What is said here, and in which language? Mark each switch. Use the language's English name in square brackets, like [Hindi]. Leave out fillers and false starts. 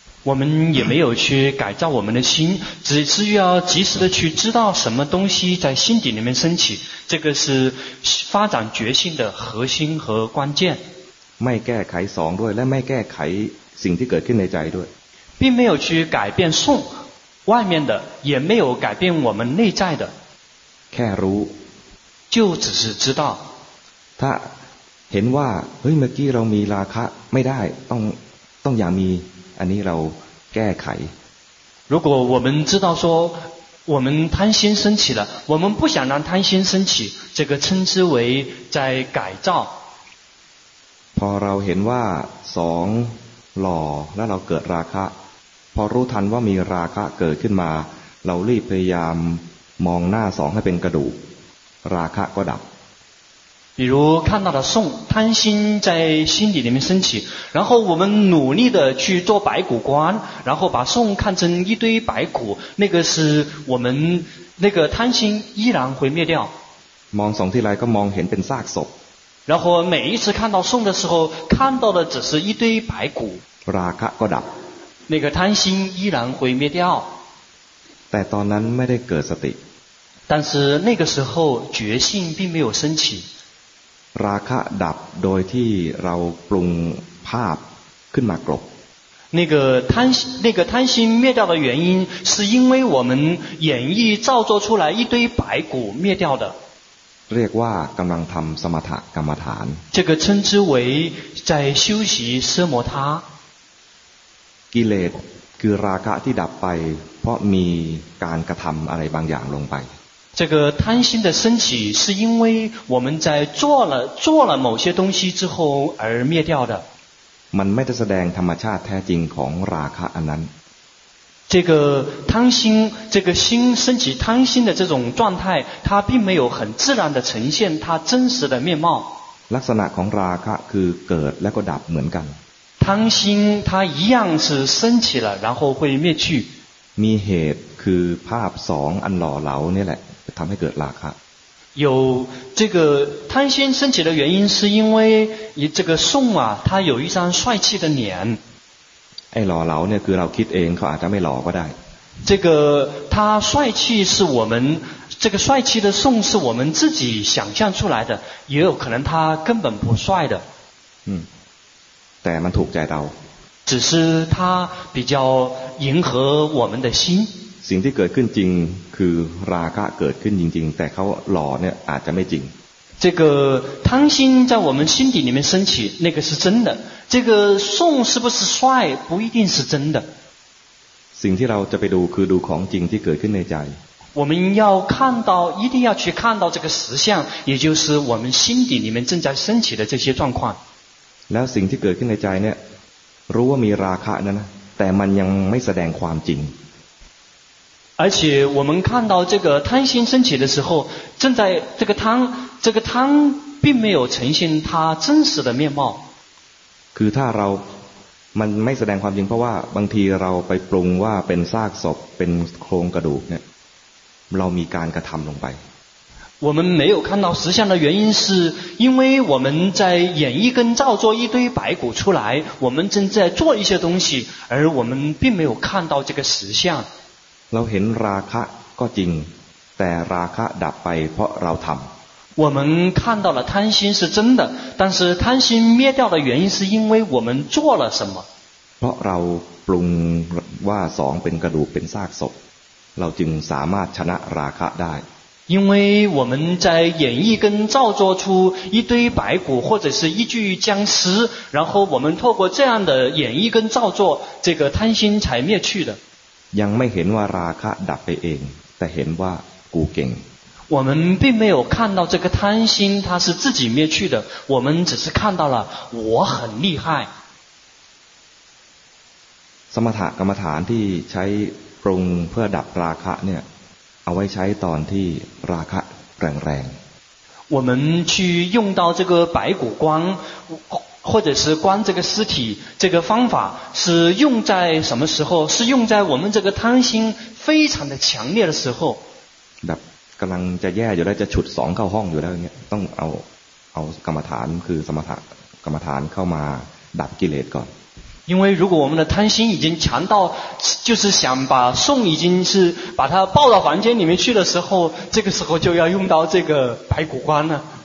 [Chinese] 我们也没有去改造我们的心只是要及时的去知道什么东西在心底里面升起这个是发展觉性的核心和关键 [Thai] ไม่แก้ไขสองด้วยและไม่แก้ไขสิ่งที่เกิดขึ้นในใจด้วย [Chinese] 并没有去改变送外面的也没有改变我们内在的 [Thai] แค่รู้ [Chinese] 就只是知道 [Thai] ถ้าเห็นว่าเฮ้ยเมื่อกี้เรามีราคะไม่ได้ต้องอย่ามีอันนี้เราแก้ไข [Chinese] 如果我们知道说我们贪心升起了我们不想让贪心升起这个称之为在改造 [Thai] พอเราเห็นว่าสองหล่อแล้วเราเกิดราคะพอรู้ทันว่ามีราคะเกิดขึ้นมาเรารีบพยายามมองหน้าสองให้เป็นกระดูกราคะก็ดับ [Chinese] 比如看到了送贪心在心底里面升起然后我们努力的去做白骨观然后把送看成一堆白骨那个是我们那个贪心依然会灭掉 [Thai] มองสองทีไรก็มองเห็นเป็นซากศพ [Chinese] 然后每一次看到送的时候看到的只是一堆白骨 [Thai] ราคะก็ดับ [Chinese] 那个贪心依然会灭掉 [Thai] แต่ตอนนั้นไม่ได้เกิดสติ [Chinese] 但是那个时候觉性并没有升起 [Thai] ราคะดับโดยที่เราปรุงภาพขึ้นมากลบ [Chinese] 那个贪心灭掉的原因是因为我们演绎造作出来一堆白骨灭掉的 [Thai] เรียกว่ากำลังทำสมถกรรมฐาน [Chinese] 这个称之为在修习奢摩他 [Thai] กิเลสคือราคะที่ดับไปเพราะมีการกระทำอะไรบางอย่างลงไป [Chinese] 这个贪心的升起是因为我们在做了某些东西之后而灭掉的 [Thai] มันไม่ได้แสดงธรรมชาติแท้จริงของราคะอันนั้น [Chinese] 这个贪心这个心升起贪心的这种状态它并没有很自然的呈现它真实的面貌 [Thai] ลักษณะของราคะคือเกิดแล้วก็ดับเหมือนกัน [Chinese] 贪心它一样是升起了然后会灭去 [Thai] มีเหตุคือภาพสองอันหล่อเหลานี่แหละทำให้เกิดราคะ [Chinese] 有这个贪心升起的原因是因为这个宋啊他有一张帅气的脸 [Thai] ไอ้หล่อเหลาเนี่ยคือเราคิดเองเขาอาจจะไม่หล่อก็ได้ [Chinese] 这个他帅气是我们这个帅气的宋是我们自己想象出来的也有可能他根本不帅的 [Thai] แต่มันถูกใจเรา [Chinese] 只是他比较迎合我们的心 [Thai] สิ่งที่เกิดขึ้นจริงคือราคะเกิดขึ้นจริงๆแต่เขาหล่อเนี่ยอาจจะไม่จริง [Chinese] 这个贪心在我们心底里面升起那个是真的这个宋是不是帅不一定是真的 [Thai] สิ่งที่เราจะไปดูคือดูของจริงที่เกิดขึ้นในใจ [Chinese] 我们要看到一定要去看到这个实相也就是我们心底里面正在升起的这些状况 [Thai] แล้วสิ่งที่เกิดขึ้นในใจเนี่ยรู้ว่ามีราคะนะแต่มันยังไม่แสดงความจริง [Chinese] 而且我们看到这个贪心升起的时候正在这个贪并没有呈现它真实的面貌 [Thai] คือถ้าเรามันไม่แสดงความจริงเพราะว่าบางทีเราไปปรุงว่าเป็นซากศพเป็นโครงกระดูกเนี่ยเรามีการกระทําลงไป [Chinese] 我们没有看到实相的原因是因为我们在演绎跟造作一堆白骨出来我们正在做一些东西而我们并没有看到这个实相 [Thai] เราเห็นราคะก็จริงแต่ราคะดับไปเพราะเราทํา [Chinese] 我们看到了贪心是真的但是贪心灭掉的原因是因为我们做了什么 [Thai] เพราะเราปรุงว่าสองเป็นกระดูกเป็นซากศพเราจึงสามารถชนะราคะได้ [Chinese] 因为我们在演绎跟造作出一堆白骨或者是一具僵尸然后我们透过这样的演绎跟造作这个贪心才灭去的 [Thai] ยังไม่เห็นว่าราคะดับไปเองแต่เห็นว่ากูเก่ง [Chinese] 我们并没有看到这个贪心它是自己灭去的我们只是看到了我很厉害 [Thai] สมถะกรรมฐานที่ใช้ปรุงเพื่อดับราคะเนี่ยเอาไว้ใช้ตอนที่ราคะแรง [Chinese] ๆ我们去用到这个白骨光或者是观这个尸体这个方法是用在什么时候是用在我们这个贪心非常的强烈的时候 [Thai] แบบกำลังจะแย่อยู่แล้วจะฉุดสองเข้าห้องอยู่แล้วเนี่ยต้องเอากรรมฐานคือสมถะกรรมฐานเข้ามาดับกิเลสก่อน [Chinese] 因为如果我们的贪心已经强到就是想把送已经是把它抱到房间里面去的时候这个时候就要用到这个白骨观了